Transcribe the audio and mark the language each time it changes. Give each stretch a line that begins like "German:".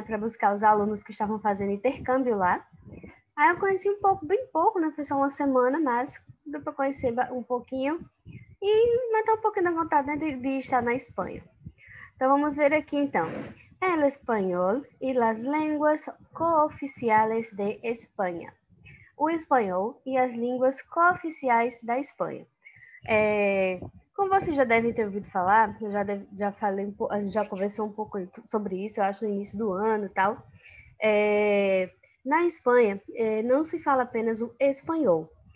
Portuguese: Para buscar os alunos que estavam fazendo intercâmbio lá. Aí eu conheci um pouco, bem pouco, né? Foi só uma semana, mas deu para conhecer um pouquinho e matar um pouquinho da vontade, né, de estar na Espanha. Então vamos ver aqui então.
Spanish: El español y las lenguas cooficiales de España.
Portuguese: O espanhol e as línguas cooficiais da Espanha. Como vocês já devem ter ouvido falar, já falei, a gente já conversou um pouco sobre isso, eu acho, no início do ano e tal. Na Espanha, não se fala apenas o espanhol.